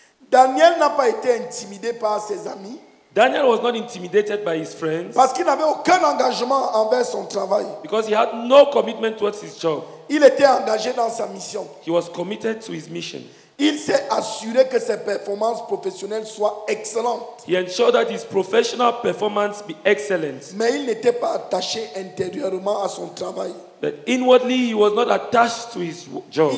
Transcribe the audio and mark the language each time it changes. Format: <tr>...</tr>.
<fr>Daniel n'a pas été intimidé par ses amis.</fr> <en>Daniel was not intimidated by his friends.</en> <fr>Parce qu'il n'avait aucun engagement envers son travail.</fr> <en>Because he had no commitment towards his job.</en> <fr>Il était engagé dans sa mission.</fr> <en>He was committed to his mission.</en> <fr>Il s'est assuré que ses performances professionnelles soient excellentes.</fr> <en>He ensured that his professional performance be excellent.</en> <fr>Mais il n'était pas attaché intérieurement à son travail.</fr> <en>But inwardly, he was not attached to his job.</en>